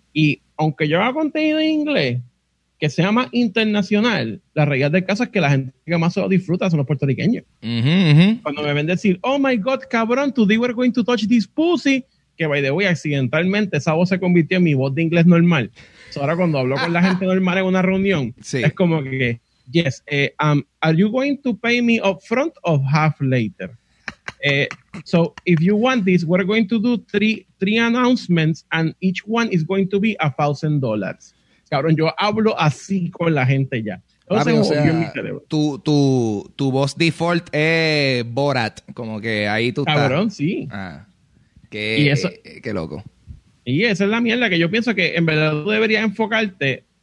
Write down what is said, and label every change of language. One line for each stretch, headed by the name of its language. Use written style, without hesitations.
Spanish: Y aunque yo haga contenido en inglés, que sea más internacional, la realidad del caso es que la gente que más se lo disfruta son los puertorriqueños. Uh-huh, uh-huh. Cuando me ven decir, oh my God, cabrón, today we're going to touch this pussy, que by the way, accidentalmente esa voz se convirtió en mi voz de inglés normal. So ahora cuando hablo con la gente normal en una reunión, sí, es como que...
English: Yes, are you going to pay me up front or half later? So if you want this, we're going to do three announcements and each one is going to be $1,000.
Spanish: Cabrón, yo hablo así con la gente ya. Entonces, o sea, tu voz default es Borat, como que ahí tú cabrón, estás. Cabrón, sí. Ah, qué loco. Y esa es la mierda que yo pienso que en verdad tú deberías enfocarte.